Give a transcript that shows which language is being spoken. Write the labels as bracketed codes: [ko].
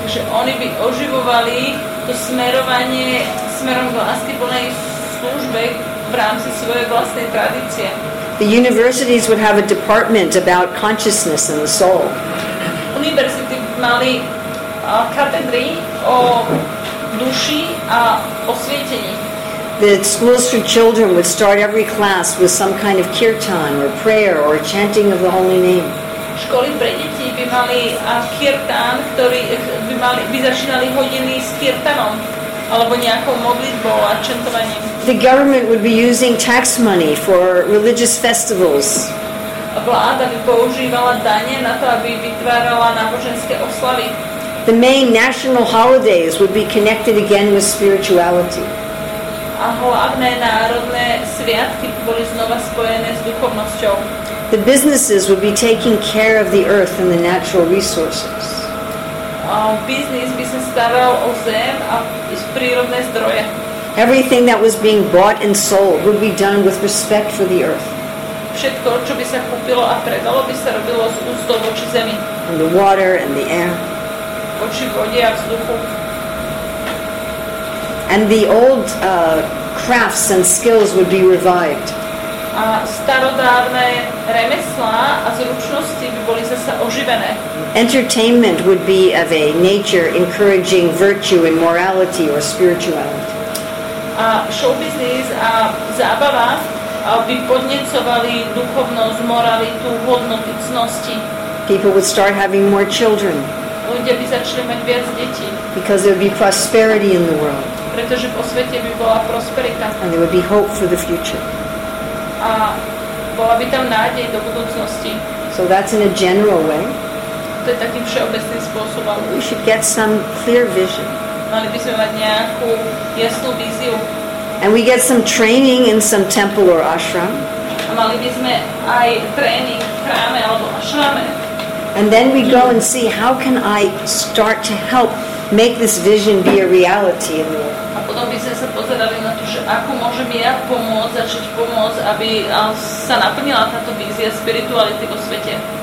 [sk] Takže oni by oživovali to smerovanie smerom k láske plnej v rámci svojej vlastnej tradície. [en] The universities would have a department about consciousness and the soul. [sk] Univerzity mali katedry o duši a o svietení. [en] the schools for children would start every class with some kind of kirtan or prayer or chanting of the holy name. [sk] Školy pre deti by mali kirtan, ktorý by mali by začínali hodiny s kirtanom alebo nejakou modlitbou a chantovaním. [en] The government would be using tax money for religious festivals. [sk] Vláda by používala dane na to, aby vytvárala náboženské oslavy. [en] The main national holidays would be connected again with spirituality. [sk] A hlavné národné sviatky boli znova spojené s duchovnosťou. [en] The businesses would be taking care of the earth and the natural resources. [sk] Business by sa staral o zem a prírodné zdroje. [en] Everything that was being bought and sold would be done with respect for the earth. [sk] Všetko, čo by sa kúpilo a predalo, by sa robilo s úctou voči zemi. [en] And the water and the air. [sk] Voči vode a vzduchu. [en] And the old crafts and skills would be revived. [sk] A starodávne remeslá a zručnosti by boli zase oživené. [en] Entertainment would be of a nature encouraging virtue and morality or spirituality. [sk] A show business a zábava by podnecovali duchovnosť, moralitu, hodnoty, cnosti. [en] People would start having more children. [sk] Ľudia by začali mať viac detí. [en] Because there would be prosperity in the world. [sk] Pretože po svete by bola prosperita. [en] And there would be hope for the future. [sk] A bola by tam nádej do budúcnosti. [en] So that's in a general way. [sk] To je takým všeobecným spôsobom. [en] We should get some clear vision. [sk] Mali by sme mať nejakú jasnú víziu. [en] And we get some training in some temple or ashram. [sk] A mali by sme aj tréning v chráme alebo ashrame. [en] And then we go and see how can I start to help make this vision be a reality in the world. [sk] A potom by sme sa pozerali na to, že ako môžem ja pomôcť, začať pomôcť, aby sa naplnila táto vízia spirituality vo svete.